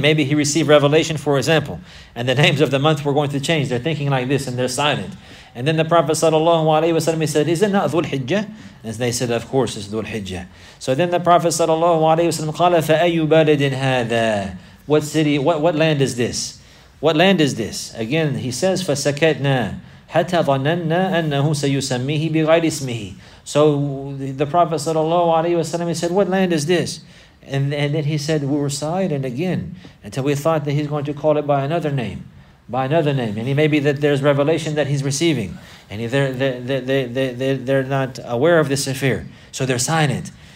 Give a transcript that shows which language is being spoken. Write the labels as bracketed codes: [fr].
[en] Maybe he received revelation, for example, and the names of the month were going to change. They're thinking like this, and they're silent. And then the Prophet sallallahu alayhi wa sallam, he said, is it not Dhul Hijjah? And they said, of course, it's Dhul Hijjah. So then the Prophet sallallahu alayhi wa sallam qala, [ar] فَأَيُّ بَلَدٍ هَذَا. [en] What city, what land is this? What land is this? Again, he says, [ar] فَسَكَتْنَا حَتَّى ظَنَنَّا أَنَّهُ سَيُسَمِّيهِ بِغَيْرِ اسْمِهِ. [en] So the Prophet sallallahu alayhi wa sallam, he said, what land is this? And then he said, we were silent again, until we thought that he's going to call it by another name. And he may be that there's revelation that he's receiving. And they're not aware of this affair. So they're silent.